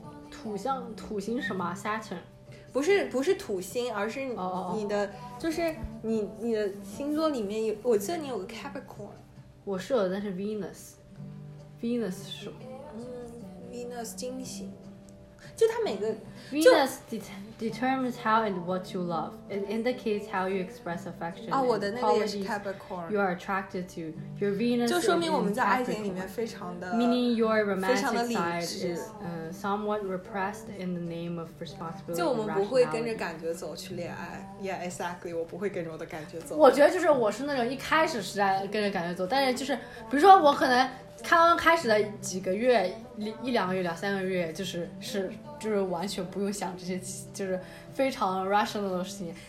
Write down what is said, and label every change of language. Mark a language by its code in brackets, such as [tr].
[zh] 土象土星什么 Saturn，不是土星，而是你的、哦、就是你的星座里面有，我记得你有个 Capricorn，我是有的，但是 Venus 是什么、嗯、 Venus 惊醒，就他每个 [en] Venus determines how and what you love. It indicates how you express affection. [zh] 啊，我的那个也是 Capricorn. [en] You are attracted to your Venus. [zh] 就说明我们在爱情里面非常的 [en] meaning your romantic side is somewhat repressed in the name of responsibility. [zh] 就我们不会跟着感觉走去恋爱。 [en] Yeah, exactly. [zh] 我不会跟着我的感觉走。我觉得就是我是那种一开始是在跟着感觉走，但是就是比如说我可能刚开始的几个月，一两个月两三个月，就是完全不用想这些，就是非常 rational 的事情。